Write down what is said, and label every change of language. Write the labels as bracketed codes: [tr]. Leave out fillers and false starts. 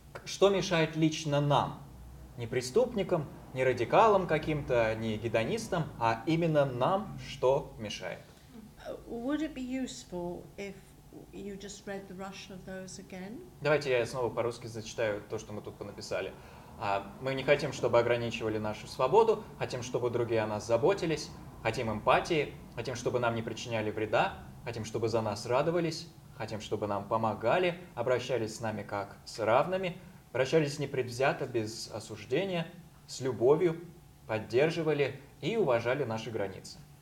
[ru] Что мешает лично нам? Не преступникам, не радикалам каким-то, не гедонистам, а именно нам что мешает? [en] Would it be useful if you just read the Russian of those again? [ru] Давайте я снова по-русски зачитаю то, что мы тут понаписали. Мы не хотим, чтобы ограничивали нашу свободу, хотим, чтобы другие о нас заботились, хотим эмпатии, хотим, чтобы нам не причиняли вреда, хотим, чтобы за нас радовались, хотим, чтобы нам помогали, обращались с нами как с равными, обращались непредвзято, без осуждения, с любовью, поддерживали и уважали наши границы.